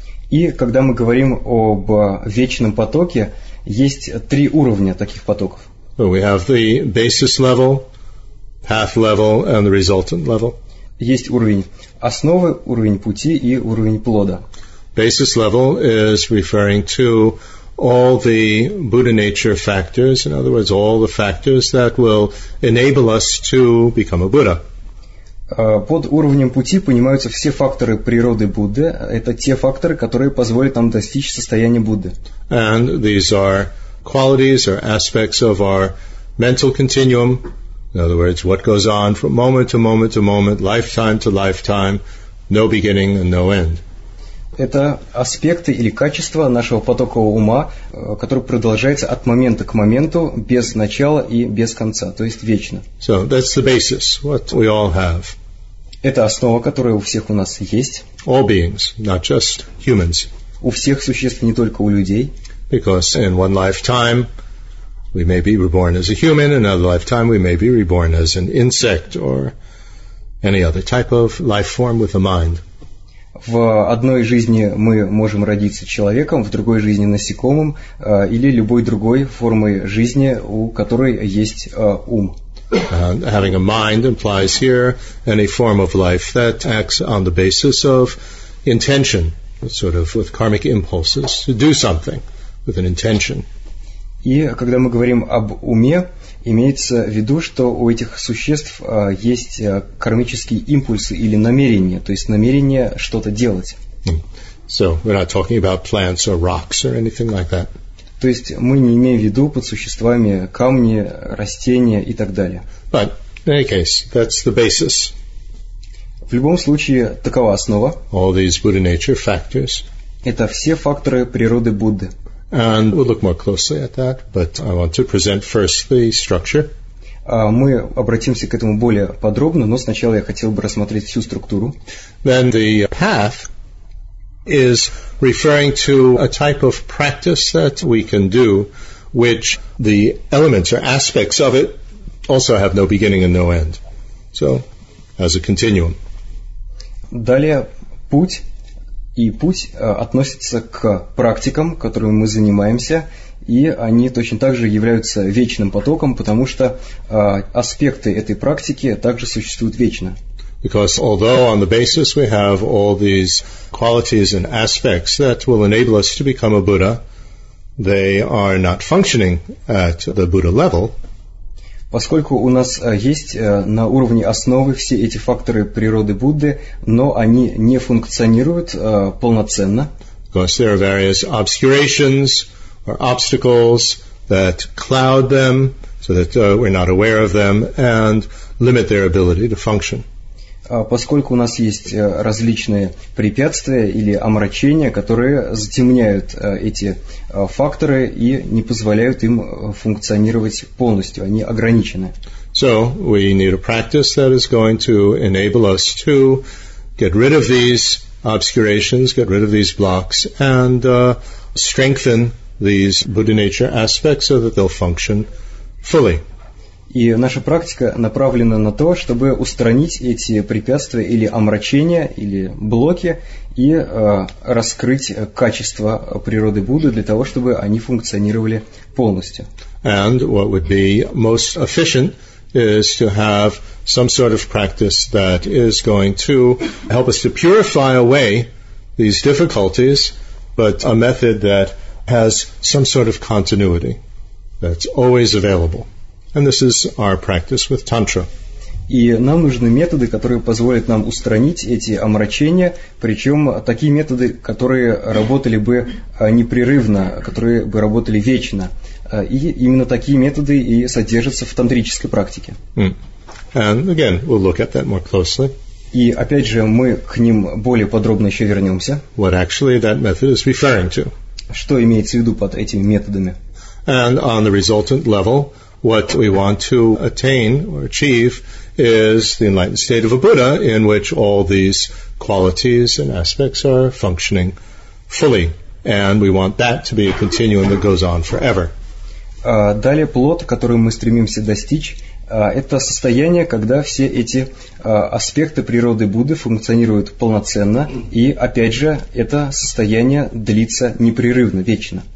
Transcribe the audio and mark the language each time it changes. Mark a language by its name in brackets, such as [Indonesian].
[Russian] И когда мы говорим об вечном потоке, есть три уровня таких потоков. [English] So we have the basis level, path level, and the resultant level. [Russian] Есть уровень основы, уровень пути и уровень плода. [English] Basis level is referring to all the Buddha nature factors, in other words, all the factors that will enable us to become a Buddha. [Russian] Под уровнем пути понимаются все факторы природы Будды. Это те факторы, которые позволят нам достичь состояния Будды. [English] And these are qualities or aspects of our mental continuum In other words, what goes on from moment to moment to moment, lifetime to lifetime, no beginning and no end. [Russian] Это аспекты или качества нашего потокового ума, который продолжается от момента к моменту, без начала и без конца, то есть вечно. [English] So that's the basis, what we all have. [Russian] Это основа, которая у всех у нас есть. [English] All beings, not just humans. [Russian] У всех существ, не только у людей. [English] Because in one lifetime we may be reborn as a human, in another lifetime we may be reborn as an insect or any other type of life form with a mind. [Russian] В одной жизни мы можем родиться человеком, в другой жизни насекомым или любой другой формой жизни, у которой есть ум. [English] Having a mind implies here any form of life that acts on the basis of intention, sort of with karmic impulses to do something with an intention. [Russian] И когда мы говорим об уме, имеется в виду, что у этих существ есть кармические импульсы или намерения, то есть намерение что-то делать. [English] So we're not talking about plants or rocks or anything like that. [Russian] То есть мы не имеем в виду под существами камни, растения и так далее. [English] But in any case, that's the basis. [Russian] В любом случае, такова основа. [English] All these Buddha nature factors. [Russian] Это все факторы природы Будды. [English] And we'll look more closely at that, but I want to present first the structure. [Russian] Мы обратимся к этому более подробно, но сначала я хотел бы рассмотреть всю структуру. [English] Then the path is referring to a type of practice that we can do, which the elements or aspects of it also have no beginning and no end. So, as a continuum. [Russian] Далее, путь. И путь относится к практикам, которыми мы занимаемся, и они точно так же являются вечным потоком, потому что аспекты этой практики также существуют вечно. [English] Because although on the basis we have all these qualities and aspects that will enable us to become a Buddha, they are not functioning at the Buddha level. [Russian] Поскольку у нас есть на уровне основы все эти факторы природы Будды, но они не функционируют полноценно. [English] Because there are various obscurations or obstacles that cloud them, so that we're not aware of them, and limit their ability to function. [Russian] Поскольку у нас есть различные препятствия или омрачения, которые затемняют эти факторы и не позволяют им функционировать полностью, они ограничены. [English] So we need a practice that is going to enable us to get rid of these obscurations, get rid of these blocks, and strengthen these Buddha nature aspects so that they'll function fully. [Russian] И наша практика направлена на то, чтобы устранить эти препятствия или омрачения, или блоки, и раскрыть качество природы Будды для того, чтобы они функционировали полностью. [English] And what would be most efficient is to have some sort of practice that is going to help us to purify away these difficulties, but a method that has some sort of continuity that's always available. And this is our practice with Tantra. [Russian] И нам нужны методы, которые позволят нам устранить эти омрачения, причем такие методы, которые работали бы непрерывно, которые бы работали вечно. И именно такие методы и содержатся в тантрической практике. [English] And again, we'll look at that more closely. [Russian] И опять же, мы к ним более подробно еще вернемся. [English] What actually that method is referring to. [Russian] Что имеется в виду под этими методами? [English] And on the resultant level, what we want to attain or achieve is the enlightened state of a Buddha in which all these qualities and aspects are functioning fully. And we want that to be a continuum that goes on forever. [Russian] Далее плод, который мы стремимся достичь, это состояние, когда все эти аспекты природы Будды функционируют полноценно, и опять же, это состояние длится непрерывно, вечно.